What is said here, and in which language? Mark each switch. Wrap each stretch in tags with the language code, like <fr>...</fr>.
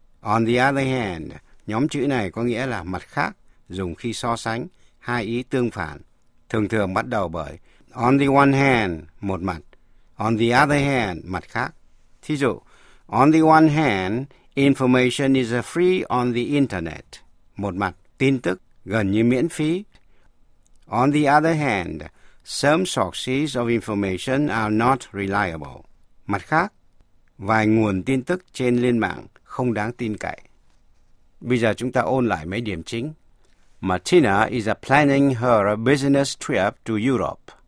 <vi>On the other hand, nhóm chữ này có nghĩa là mặt khác, dùng khi so sánh, hai ý tương phản. Thường thường bắt đầu bởi on the one hand, một mặt.</vi> <en>On the other hand, mặt khác. Thí dụ, on the one hand, information is free on the internet.</en> <vi>Một mặt, tin tức gần như miễn phí.</vi> <en>On the other hand, some sources of information are not reliable.</en> <vi>Mặt khác, vài nguồn tin tức trên liên mạng không đáng tin cậy. Bây giờ chúng ta ôn lại mấy điểm chính.</vi> <en>Martina is planning her business trip to Europe.</en>